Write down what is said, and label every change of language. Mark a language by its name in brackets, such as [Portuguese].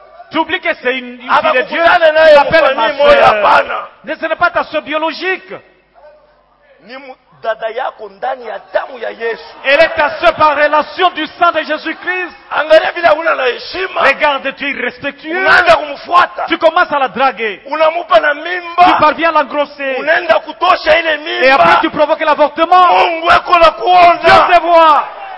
[French] Tu oublies que c'est une fille de Dieu qui t'appelle ma soeur. Mais ce n'est pas ta soeur biologique. [Swahili] Dada yako ndani ya damu ya Yesu. [French] Elle est ta soeur par relation du sang de Jésus-Christ. [Swahili] Angalia vile una la heshima. [French] Regarde, tu es irrespectueux. [Swahili] Unaenda kumfuata. [French] Tu commences à la draguer. [Swahili] Unamupa na mimba. [French] Tu parviens à l'engrosser. [Swahili] Unaenda kutosha ile mimba. [French] Et après tu provoques l'avortement. [Swahili] Mungu wako na kuona. [French] Dieu te voit.